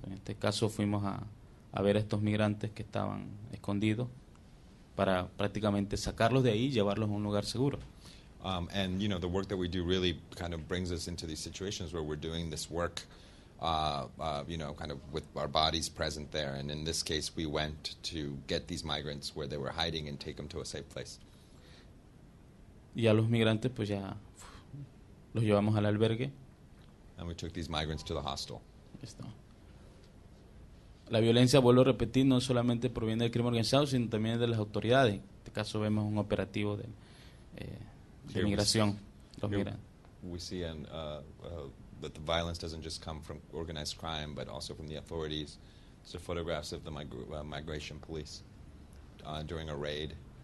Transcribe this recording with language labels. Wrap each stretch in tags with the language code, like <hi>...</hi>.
<es>En este caso fuimos a ver a estos migrantes que estaban escondidos para prácticamente sacarlos de ahí y llevarlos a un lugar seguro.</es> <en>And you know, the work that we do really kind of brings us into these situations where we're doing this work kind of with our bodies present there, and in this case we went to get these migrants where they were hiding and take them to a safe place.</en> <es>Y a los migrantes pues ya los llevamos al albergue.</es> <en>And we took these migrants to the hostel.</en> <es>Listo. La violencia, vuelvo a repetir, no solamente proviene del crimen organizado, sino también de las autoridades. En este caso vemos un operativo de migración.</es> <en>We see that the violence doesn't just come from organized crime, but also from the authorities. So photographs of the migration police during a raid.</en>